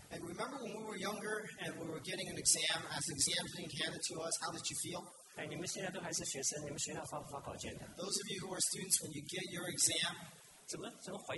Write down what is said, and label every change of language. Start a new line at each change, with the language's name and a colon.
English: And remember when we were younger and we were getting an exam, as exams being handed to us, how did you feel?
Chinese: 哎, 你们现在都还是学生, 你们学校发不发考卷的?
English: Those of you who are students, when you get your exam,